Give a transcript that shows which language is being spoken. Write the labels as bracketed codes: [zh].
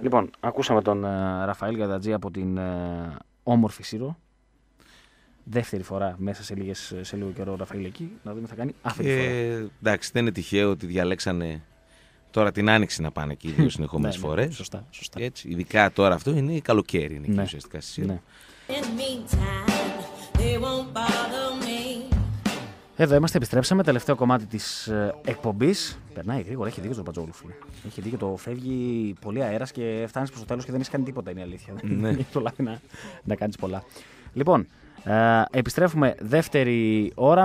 [el] Λοιπόν, ακούσαμε τον Ραφαήλ Γκατατζή από την όμορφη Σύρο. Δεύτερη φορά μέσα σε λίγο καιρό ο Ραφαήλ εκεί. Να δούμε τι θα κάνει αυτή τη φορά. Εντάξει, δεν είναι τυχαίο ότι διαλέξανε τώρα την άνοιξη να πάνε εκεί δύο συνεχόμενες φορές. Σωστά, σωστά. Έτσι, ειδικά τώρα αυτό είναι καλοκαίρι, είναι εκεί ουσιαστικά στη Σύρο. [en] In the meantime, they won't bother me. [el] Εδώ είμαστε, επιστρέψαμε. Τελευταίο κομμάτι της εκπομπής. Περνάει γρήγορα, έχει δίκιο το Μπατζόλουφλου. Έχει δίκιο, το φεύγει πολύ αέρας και φτάνεις προς το τέλος και δεν έχεις κάνει τίποτα, είναι η αλήθεια. Ναι. Έχει το λάθη να κάνεις πολλά. Λοιπόν, επιστρέφουμε δεύτερη ώρα.